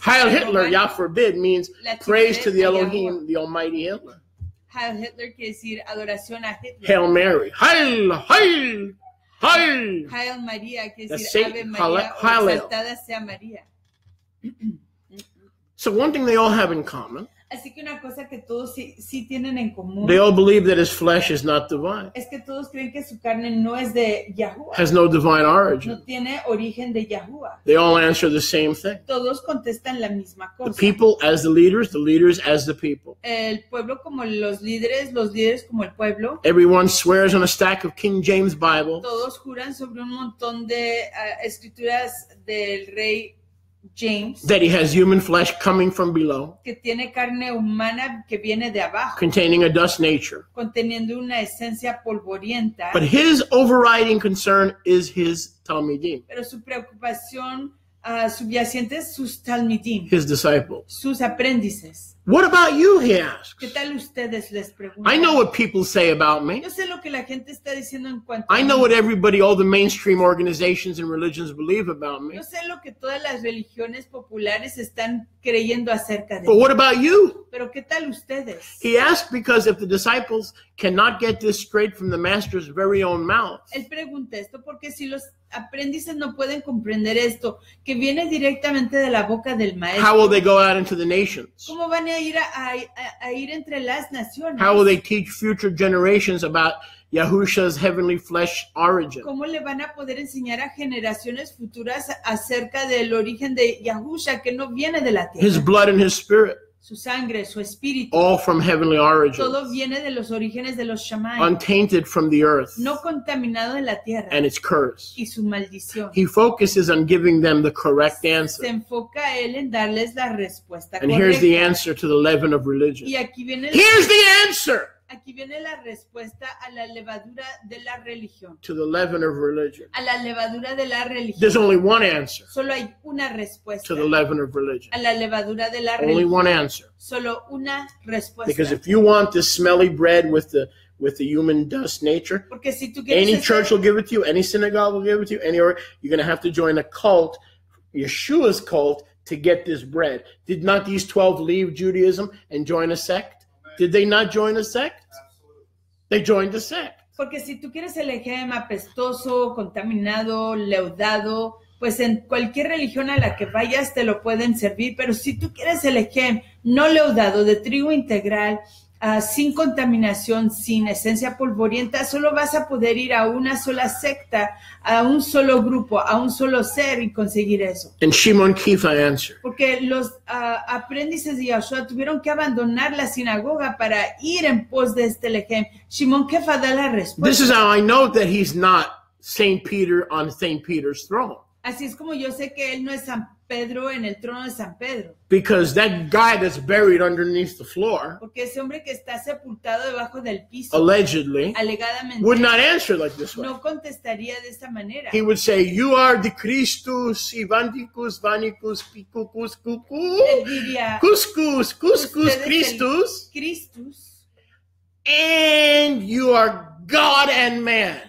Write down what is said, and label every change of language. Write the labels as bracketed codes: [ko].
[en] Hail Hitler, Yah forbid, means praise to the Elohim, Yahuwah. The Almighty Hitler. [es] Hail Hitler quiere decir adoración a Hitler. [en] Hail Mary. Hail, hail, hail. [es] Hail María quiere decir Ave María. Hail. Exaltada sea María. [en] So one thing they all have in common. [es] Así que una cosa que todos sí tienen en común. [en] They all believe that his flesh is not divine. [es] Es que todos creen que su carne no es de Yahuwah. [en] Has no divine origin. [es] No tiene origen de Yahuwah. [en] They all answer the same thing. [es] Todos contestan la misma cosa. [en] The people as the leaders as the people. [es] El pueblo como los líderes como el pueblo. [en] Everyone swears on a stack of King James Bible. [es] Todos juran sobre un montón de escrituras del rey James, [en] that he has human flesh coming from below, [es] que tiene carne humana que viene de abajo, [en] containing a dust nature, [es] conteniendo una esencia polvorienta. [en] But his overriding concern is his talmidim. [es] Pero su preocupación subyacente es sus talmidim. [en] His disciples. [es] Sus aprendices. [en] What about you, he asks. [es] ¿Qué tal ustedes les preguntan? [en] I know what people say about me. [es] Yo sé lo que la gente está diciendo en cuanto a mí. [en] I know what everybody, all the mainstream organizations and religions believe about me. [es] Yo sé lo que todas las religiones populares están creyendo acerca de mí. [en] But what about you? [es] ¿Pero qué tal ustedes? [en] He asks because if the disciples cannot get this straight from the master's very own mouth. [es] Él pregunta esto porque si los aprendices no pueden comprender esto, que viene directamente de la boca del maestro. [en] How will they go out into the nations? [es] ¿Cómo van a ir entre las naciones? [en] How will they teach future generations about Yahusha's heavenly flesh origin? [es] ¿Cómo le van a poder enseñar a generaciones futuras acerca del origen de Yahusha que no viene de la tierra? [en] His blood and his spirit. [es] Su sangre, su espíritu. [en] All from heavenly origins. [es] Todo viene de los orígenes de los shamanes. [en] Untainted from the earth. [es] No contaminado de la tierra. [en] And its curse. [es] Y su maldición. [en] He focuses on giving them the correct answer. [es] Se enfoca él en darles la respuesta [en] and [es] correcta. [en] Here's the answer to the leaven of religion. [es] Y aquí viene [en] the answer. [es] Aquí viene la respuesta a la levadura de la religión. [en] To the leaven of religion. [es] A la levadura de la religión. [en] There's only one answer. [es] Solo hay una respuesta. [en] To the leaven of religion. [es] A la levadura de la [en] only [es] religión. [en] Only one answer. [es] Solo una respuesta. [en] Because if you want this smelly bread with the human dust nature, [es] porque si tú quieres [en] any church will give it to you, any synagogue will give it to you, any, you're going to have to join a cult, Yeshua's cult, to get this bread. Did not these 12 leave Judaism and join a sect? Did they not join a sect? Absolutely. They joined a sect. [es] Porque si tú quieres el ejem apestoso, contaminado, leudado, pues en cualquier religión a la que vayas te lo pueden servir. Pero si tú quieres el ejem no leudado, de trigo integral, sin contaminación, sin esencia polvorienta, solo vas a poder ir a una sola secta, a un solo grupo, a un solo ser y conseguir eso. [en] And Shimon Kefa answered. [es] Porque los aprendices de Yahshua tuvieron que abandonar la sinagoga para ir en pos de este lejem. Shimon Kefa da la respuesta. [en] This is how I know that he's not Saint Peter on Saint Peter's throne. [es] Así es como yo sé que él no es San Pedro en el trono de San Pedro. [en] Because that guy that's buried underneath the floor, [es] porque ese hombre que está sepultado debajo del piso, [en] allegedly, [es] alegadamente, [en] would not answer like this way. [es] No contestaría de esta manera. [en] He would say, "You are the Christus, Ivanticus, Vanicus, Picucus, Cucu, Cuscus, Cuscus, Christus, Christus, and you are God and man."